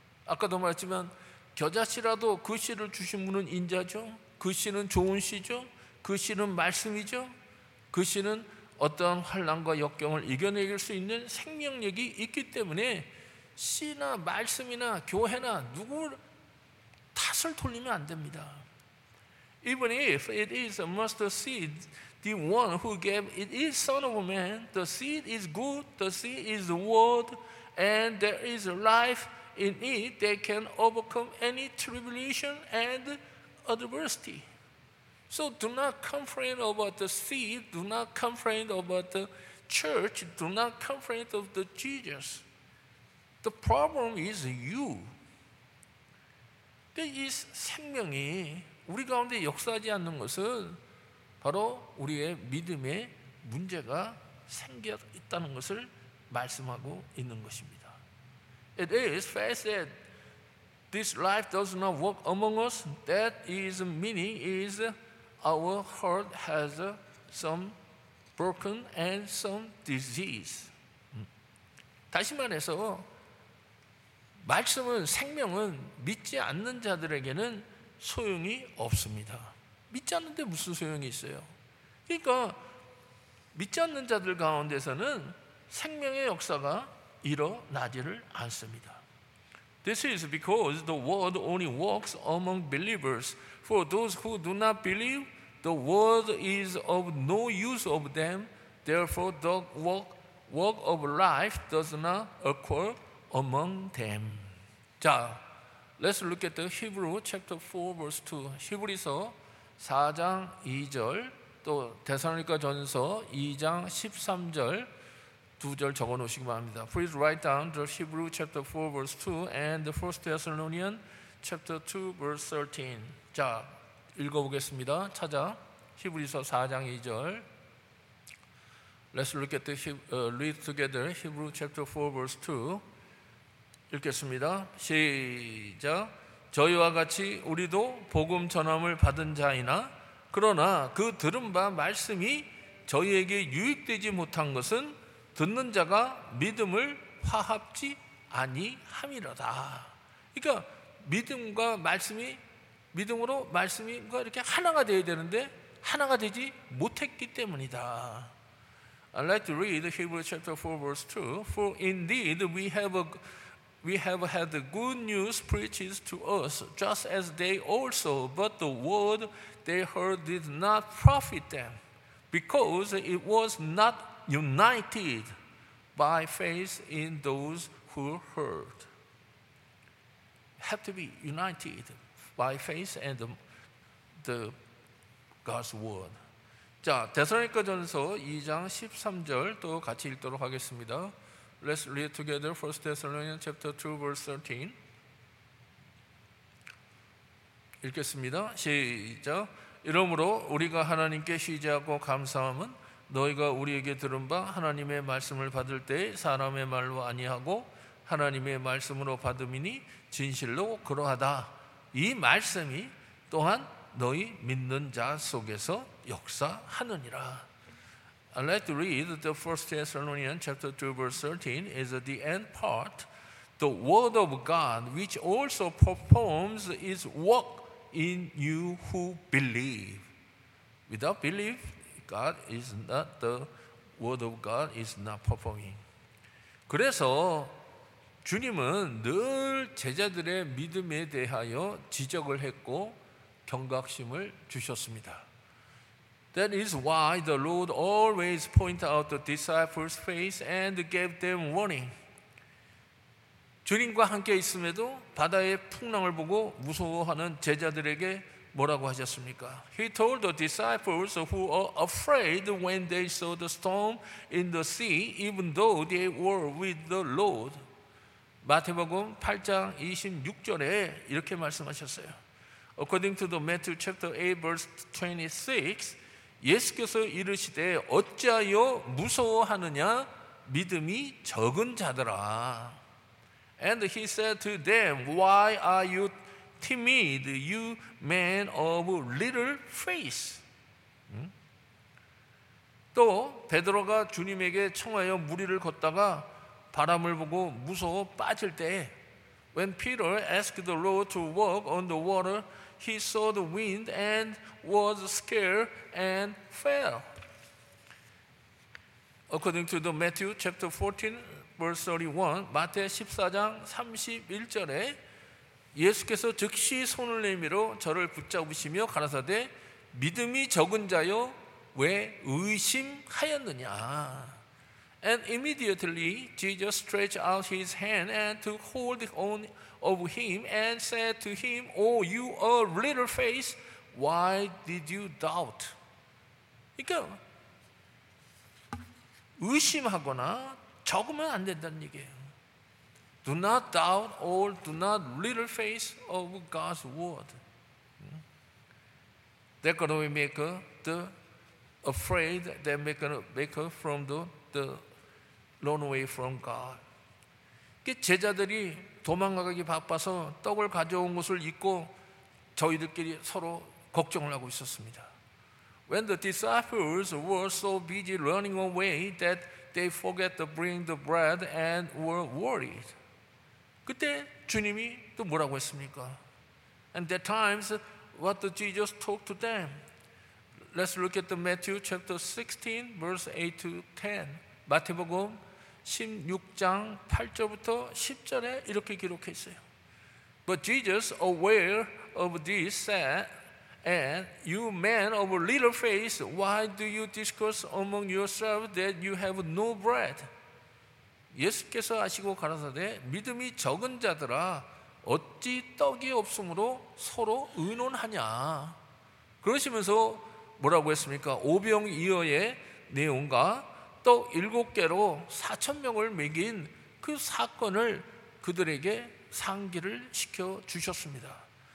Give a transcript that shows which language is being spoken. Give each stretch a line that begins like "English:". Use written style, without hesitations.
Korean: 아까도 말했지만 겨자씨라도 그 씨를 주신 분은 인자죠. 그 씨는 좋은 씨죠. 그 씨는 말씀이죠. 그 씨는 어떤 환난과 역경을 이겨낼 수 있는 생명력이 있기 때문에 씨나 말씀이나 교회나 누구를 탓을 돌리면 안 됩니다.
English: Even if it is a mustard seed, the one who gave it is Son of Man. The seed is good, the seed is the word, and there is life in it that can overcome any tribulation and adversity. So do not complain about the seed, do not complain about the church, do not complain of the Jesus. The problem is you.
Korean: 근데 이 생명이 우리 가운데 역사하지 않는 것은 바로 우리의 믿음에 문제가 생겨 있다는 것을 말씀하고 있는 것입니다.
English: It is fact that this life does not work among us. That is meaning is our heart has some broken and some disease.
Korean: 다시 말해서 말씀은 생명은 믿지 않는 자들에게는 소용이 없습니다. 믿지 않는데 무슨 소용이 있어요? 그러니까 믿지 않는 자들 가운데서는 생명의 역사가 일어나지를 않습니다.
English: This is because the word only works among believers. For those who do not believe, the word is of no use of them. Therefore, the work of life does not occur among them. 자, let's look at the Hebrew chapter 4 verse 2.
Korean: 히브리서 4장 2절 또 데살로니가 전서 2장 13절 두 절 적어 놓으시기 바랍니다.
English: Please write down the Hebrew chapter 4 verse 2 and the First Thessalonians chapter 2 verse 13.
Korean: 자, 읽어 보겠습니다. 찾아. 히브리서 4장 2절.
English: Let's look at the read together Hebrew chapter 4 verse 2.
Korean: 읽겠습니다. 시작. 저희와 같이 우리도 복음 전함을 받은 자이나 그러나 그 들은 바 말씀이 저희에게 유익되지 못한 것은 듣는 자가 믿음을 화합지 아니함이로다. 그러니까 믿음과 말씀이 믿음으로 말씀과 이렇게 하나가 되어야 되는데 하나가 되지 못했기 때문이다.
English: I'd like to read Hebrews chapter 4 verse 2. For indeed we have had the good news preached to us just as they also, but the word they heard did not profit them because it was not united by faith in those who heard. Have to be united by faith and the God's word.
Korean: 자, 데살로니가 전서 2장 13절 또 같이 읽도록 하겠습니다.
English: Let's read together 1 Thessalonians chapter 2 verse 13.
Korean: 읽겠습니다. 시작. 이러므로 우리가 하나님께 시제하고 감사함은 너희가 우리에게 들은 바 하나님의 말씀을 받을 때 사람의 말로 아니하고 하나님의 말씀으로 받음이니 진실로 그러하다. 이 말씀이 또한 너희 믿는 자 속에서 역사하느니라.
English: I'd like to read the First Thessalonians chapter 2 verse 13 is the end part. The word of God which also performs its work in you who believe. Without belief, God is not the word of God is not performing.
Korean: 그래서 주님은 늘 제자들의 믿음에 대하여 지적을 했고 경각심을 주셨습니다.
English: That is why the Lord always pointed out the disciples' faith and gave them warning.
Korean: 주님과 함께 있음에도 바다의 풍랑을 보고 무서워하는 제자들에게 뭐라고 하셨습니까?
English: He told the disciples who were afraid when they saw the storm in the sea, even though they were with the Lord.
Korean: 마태복음 8장 26절에 이렇게 말씀하셨어요.
English: According to the Matthew chapter 8 verse 26,
Korean: 예수께서 이르시되 어찌하여 무서워하느냐 믿음이 적은 자들아.
English: And he said to them, Why are you timid, you men of little faith?
Korean: 또 베드로가 주님에게 청하여 무리를 걷다가 바람을 보고 무서워 빠질 때,
English: When Peter asked the Lord to walk on the water, He saw the wind and was scared and fell. According to the Matthew chapter 14 verse 31,
Korean: 마태 14장 31절에 예수께서 즉시 손을 내밀어 저를 붙잡으시며 가라사대 믿음이 적은 자여 왜 의심하였느냐.
English: And immediately Jesus stretched out his hand and took hold on of him and said to him, Oh, you a little faith, why did you doubt?
Korean: 그러니까 의심하거나 적으면 안 된다는 얘기예요.
English: Do not doubt or do not little faith of God's word. They're going to make the afraid, they're going to make from the run away from God.
Korean: 제자들이 도망가기 바빠서 떡을 가져온 것을 잊고 저희들끼리 서로 걱정을 하고 있었습니다.
English: When the disciples were so busy running away that they forget to bring the bread and were worried.
Korean: 그때 주님이 또 뭐라고 했습니까?
English: And at times, what did Jesus talk to them? Let's look at the Matthew chapter 16, verse 8 to 10.
Korean: 마태복음 16장 8절부터 10절에 이렇게 기록해 있어요.
English: But Jesus, aware of this, said, And you men of little faith, why do you discuss among yourselves that you have no bread?
Korean: 예수께서 아시고 가라사대 믿음이 적은 자들아 어찌 떡이 없으므로 서로 의논하냐 그러시면서 뭐라고 했습니까? 오병이어의 내용과 떡 일곱 개로 4,000명을 먹인 그 사건을 그들에게 상기를 시켜 주셨습니다.